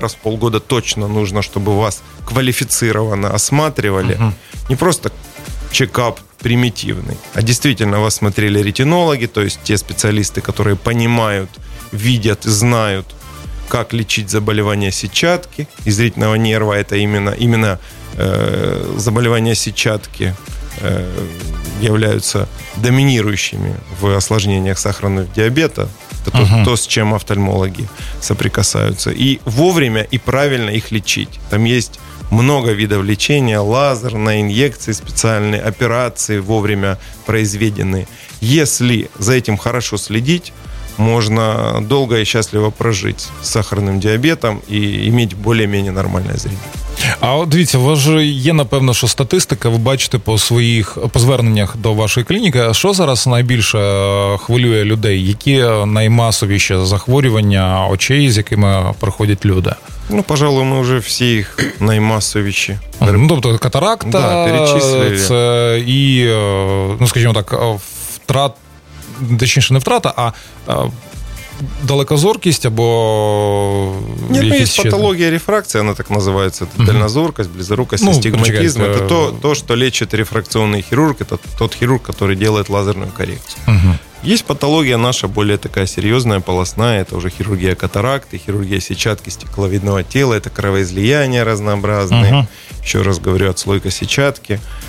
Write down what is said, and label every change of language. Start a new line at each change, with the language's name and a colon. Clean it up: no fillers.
Russian: Раз в полгода точно потрібно, щоб вас кваліфіцировано осматривали. Не просто чекап примитивний, а дійсно вас смотрели ретинологи, то есть те спеціалісти, які розуміють, бачать і знають, как лечить заболевания сетчатки и зрительного нерва. Это именно заболевания сетчатки являются доминирующими в осложнениях сахарного диабета. Это то, с чем офтальмологи соприкасаются. И вовремя и правильно их лечить. Там есть много видов лечения. Лазерные инъекции специальные, операции вовремя произведены. Если за этим хорошо следить, можно долго и счастливо прожить с сахарным диабетом и иметь более-менее нормальное зрение.
Ukrainian: А от дивіться, у вас же є, напевно, що статистика, ви бачите по своїх, по зверненнях до вашої клініки, що зараз найбільше хвилює людей? Які наймасовіші захворювання очей, з якими приходять люди? Ну, пожалуй, ми вже всі їх наймасовіші. Ну, тобто катаракта, да, це і, ну, скажімо так, втрата. Точнее, не втрата, а далекозоркість або...
Russian: Нет, ну, есть патология рефракции, она так называется, это дальнозоркость, близорукость, астигматизм. Ну, это то, что лечит рефракционный хирург, это тот хирург, который делает лазерную коррекцию. Есть патология наша более такая серьезная, полостная, это уже хирургия катаракты, хирургия сетчатки стекловидного тела, это кровоизлияния разнообразные, еще раз говорю, отслойка сетчатки.